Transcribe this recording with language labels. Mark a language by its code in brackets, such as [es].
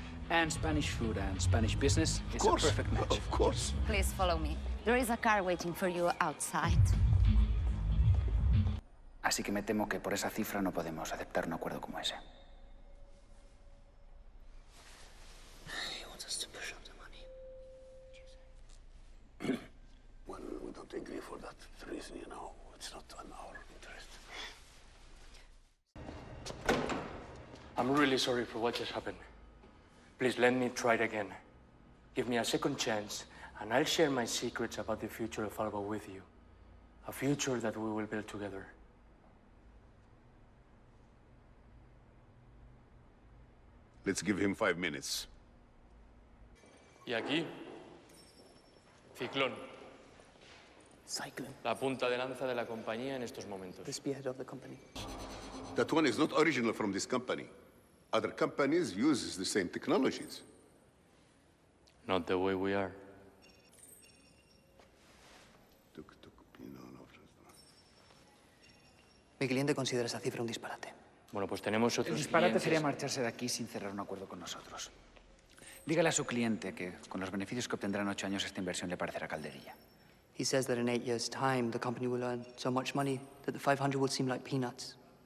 [en] And Spanish food and Spanish business is a perfect match. Of course. Please follow me. There is a car waiting for you outside. [es] Así que me temo que por esa cifra no podemos aceptar un acuerdo como ese. [en] He wants us to push up the money. Well, we don't agree for that reason, you know. It's not in our interest. I'm really sorry for what just happened. Please let me try it again. Give me a second chance, and I'll share my secrets about the future of Alba with you. A future that we will build together. Let's give him 5 minutes. [es] Y aquí, Ciclón. [en] Cyclone. [es] La punta de lanza de la compañía en estos momentos. [en] The spearhead of the company. That one is not original from this company. Other companies use the same technologies. Not the way we are. [es] Mi cliente considera esa cifra un disparate. Bueno, pues tenemos otros. El disparate clientes. Sería marcharse de aquí sin cerrar un acuerdo con nosotros. Dígale a su cliente que con los beneficios que obtendrá en 8 años esta inversión le parecerá calderilla. [en] He says that in 8 years' time the company will earn so much money that the 500 will seem like peanuts.